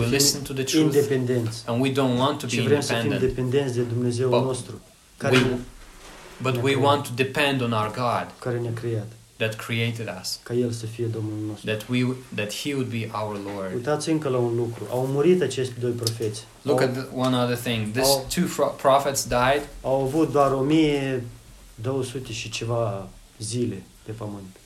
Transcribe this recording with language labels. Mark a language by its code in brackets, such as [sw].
[en] we [ro] fim independenți. [en] And we don't want to be independent. [ro] Și vrem să fim dependenți de Dumnezeul nostru. [en] But we want to depend on our God. [ro] Care ne-a creat. [en] That created us. [ro] Ca el să fie Domnul nostru. [en] That he would be our Lord. [ro] Uitați încă la un lucru. Au murit acești doi profeți. [en] Look at one other thing. These two prophets died. [ro] Au avut doar 1200 și ceva zile pe pământ.